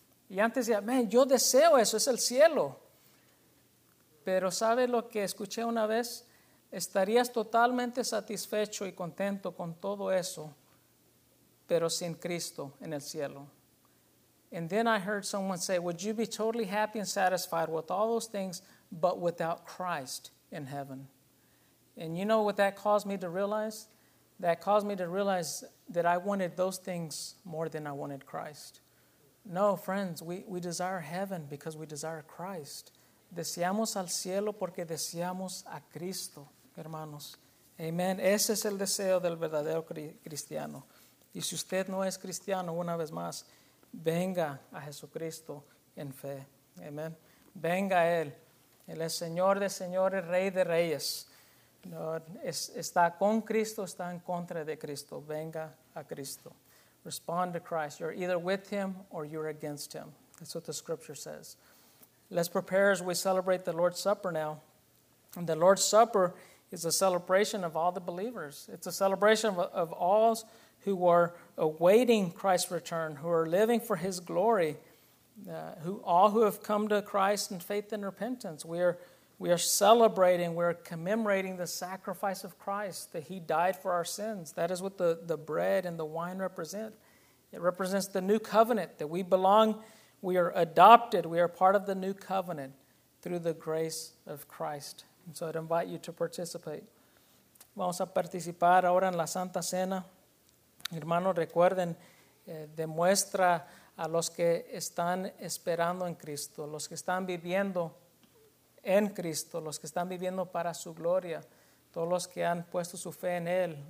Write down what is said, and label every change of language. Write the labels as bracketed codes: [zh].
[es] Y antes decía, man, yo deseo eso, es el cielo. Pero ¿sabe lo que escuché una vez? Estarías totalmente satisfecho y contento con todo eso, pero sin Cristo en el cielo. [en] And then I heard someone say, would you be totally happy and satisfied with all those things, but without Christ in heaven? And you know what that caused me to realize? That caused me to realize that I wanted those things more than I wanted Christ. No, friends, we desire heaven because we desire Christ. [es] Deseamos al cielo porque deseamos a Cristo, hermanos. Amen. Ese es el deseo del verdadero cristiano. Y si usted no es cristiano, una vez más, venga a Jesucristo en fe. Amen. Venga a Él. Él es Señor de señores, Rey de reyes. No, está con Cristo, está en contra de Cristo. Venga a Cristo. [en] Respond to Christ. You're either with Him or you're against Him. That's what the scripture says. Let's prepare as we celebrate the Lord's Supper now. And the Lord's Supper is a celebration of all the believers. It's a celebration of all who are awaiting Christ's return, who are living for His glory, all who have come to Christ in faith and repentance. We are celebrating, we are commemorating the sacrifice of Christ, that He died for our sins. That is what the bread and the wine represent. It represents the new covenant, that we belong, we are adopted, we are part of the new covenant through the grace of Christ. And so I'd invite you to participate. [es] Vamos a participar ahora en la Santa Cena. Hermanos, recuerden, demuestra a los que están esperando en Cristo, los que están viviendo en Cristo, los que están viviendo para su gloria, todos los que han puesto su fe en Él.